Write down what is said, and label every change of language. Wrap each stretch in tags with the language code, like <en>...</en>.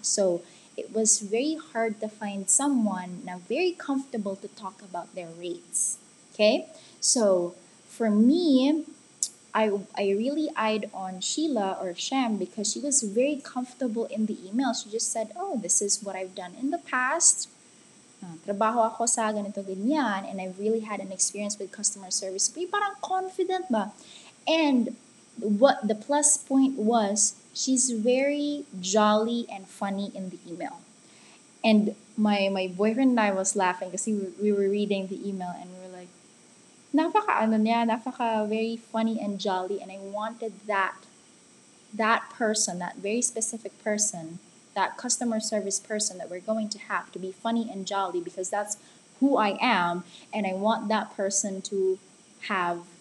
<en>So it was very hard to find someone na very comfortable to talk about their rates. Okay? So for me, I really eyed on Sheila or Shem because she was very comfortable in the email. She just said, oh, this is what I've done in the past.</en> <tl>Trabaho ako sa ganito ganyan.</tl> <en>And I really had an experience with customer service. So,</en> <tl>parang confident ba?</tl> <en>And what the plus point was, she's very jolly and funny in the email. And my boyfriend and I was laughing because we were reading the email and we were like,</en> <tl>napaka ano niya, napaka</tl> <en>very funny and jolly, and I wanted that person, that very specific person, that customer service person that we're going to have to be funny and jolly because that's who I am, and I want that person to have</en>